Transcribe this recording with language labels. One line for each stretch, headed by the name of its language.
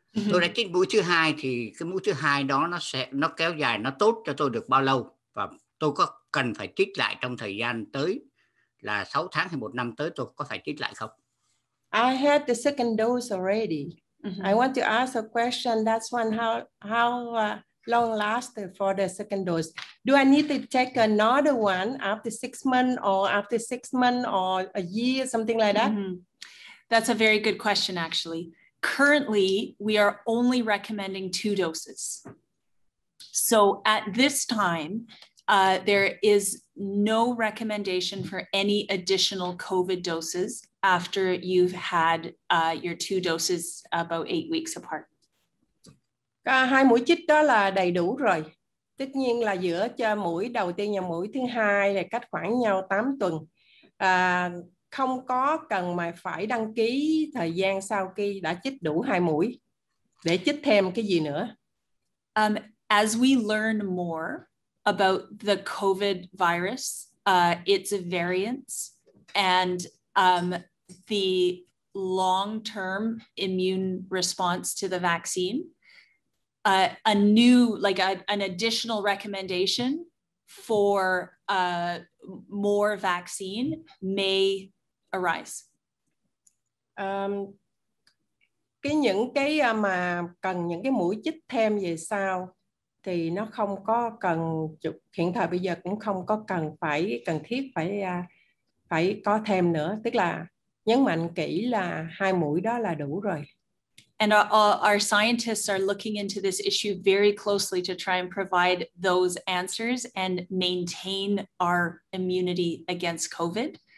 Vietnamese: Tôi đã chích mũi thứ hai thì cái mũi thứ hai đó nó kéo dài, nó tốt cho tôi được bao lâu? Và tôi có cần phải chích lại trong thời gian tới là 6 tháng hay 1 năm tới tôi có phải chích lại không?
English: I had the second dose already. Mm-hmm. I want to ask a question. That's one. How long last for the second dose. Do I need to take another one after 6 months or after 6 months or a year, something like that? Mm-hmm. That's a very good question, actually. Currently, we are only recommending 2 doses. So at this time, there is no recommendation for any additional COVID doses after you've had your 2 doses about 8 weeks apart.
Vietnamese: Hai mũi chích đó là đầy đủ rồi. Tất nhiên là giữa cho mũi đầu tiên và mũi thứ hai là cách khoảng nhau 8 tuần. Không có cần mà phải đăng ký thời gian sau khi đã chích đủ 2 mũi để chích thêm cái gì nữa.
English: As we learn more about the COVID virus, its variants, and the long-term immune response to the vaccine, a new, like a, an additional recommendation for more vaccine may arise.
Vietnamese: Cái những cái mà cần những cái mũi chích thêm về sau thì nó không có cần, hiện thời bây giờ cũng không có cần phải cần thiết phải phải có thêm nữa, tức là nhấn mạnh kỹ là 2 mũi đó là đủ rồi.
English: And our scientists are looking into this issue very closely to try and provide those answers and maintain our immunity against COVID.